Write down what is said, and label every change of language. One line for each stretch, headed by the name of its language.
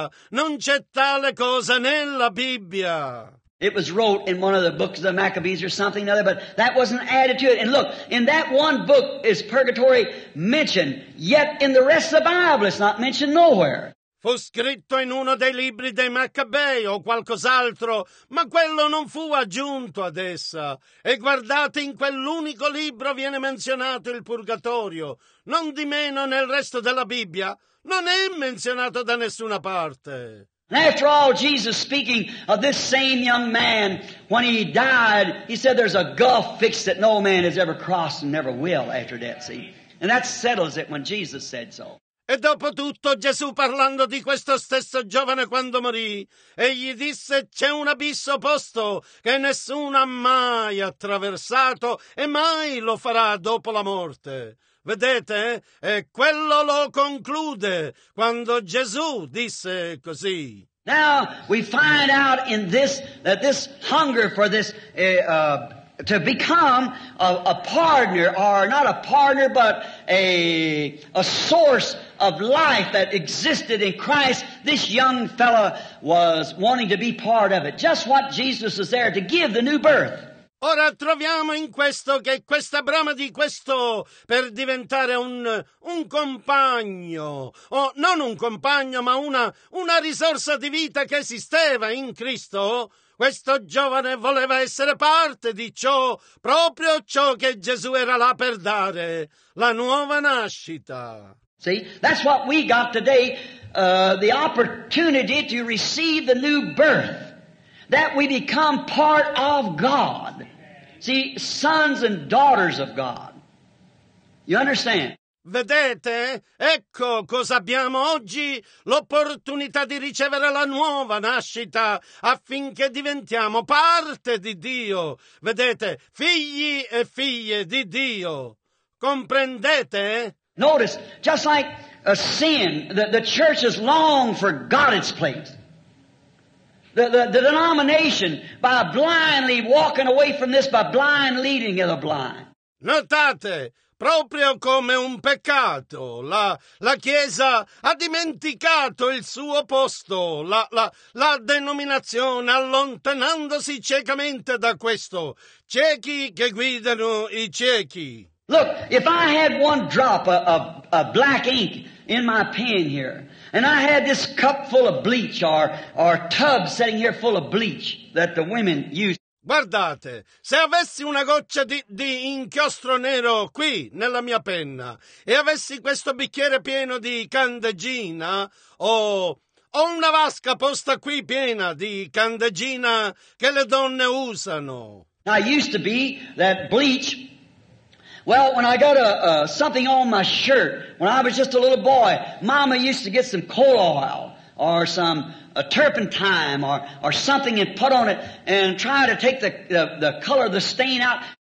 Italian: Non c'è tale cosa nella Bibbia.
English: It was wrote in one of the books of the Maccabees or something or other, but that wasn't added to it. And look, in that one book is purgatory mentioned, yet in the rest of the Bible it's not mentioned nowhere.
Italian: Fu scritto in uno dei libri dei Maccabei o qualcos'altro, ma quello non fu aggiunto ad essa. E guardate, in quell'unico libro viene menzionato il purgatorio. Non di meno nel resto della Bibbia non è menzionato da nessuna parte.
English: After all, Jesus speaking of this same young man, when he died, he said there's a gulf fixed that no man has ever crossed and never will after death, see? And that settles it when Jesus said so.
Italian: E dopo tutto, Gesù parlando di questo stesso giovane quando morì, egli disse c'è un abisso posto che nessuno ha mai attraversato e mai lo farà dopo la morte. Vedete? E quello lo conclude quando Gesù disse così.
English: Now we find out in this that this hunger for this to become a partner, or not a partner, but a source of life that existed in Christ, this young fella was wanting to be part of it. Just what Jesus is there to give, the new birth.
Italian: Ora troviamo in questo che questa brama di questo per diventare un compagno, o non un compagno, ma una risorsa di vita che esisteva in Cristo. Questo giovane voleva essere parte di ciò, proprio ciò che Gesù era là per dare, la nuova nascita.
English: See, that's what we got today, the opportunity to receive the new birth, that we become part of God. See, sons and daughters of God. You understand?
Italian: Vedete? Ecco cosa abbiamo oggi, l'opportunità di ricevere la nuova nascita affinché diventiamo parte di Dio. Vedete? Figli e figlie di Dio. Comprendete?
English: Notice, just like a sin, the church has long forgotten its place. The denomination, by blindly walking away from this, by blind leading of the blind.
Italian: Notate, proprio come un peccato, la Chiesa ha dimenticato il suo posto, la denominazione, allontanandosi ciecamente da questo. Ciechi che guidano i ciechi.
English: Look, if I had one drop of black ink in my pen here, and I had this cup full of bleach, or tub sitting here full of bleach that the women use.
Italian: Guardate, se avessi una goccia di inchiostro nero qui nella mia penna e avessi questo bicchiere pieno di candeggina, o una vasca posta qui piena di candeggina che le donne usano.
English: Now, it used to be that bleach. Well, when I got something on my shirt, when I was just a little boy, Mama used to get some coal oil or some turpentine or something and put on it and try to take the color of the stain out.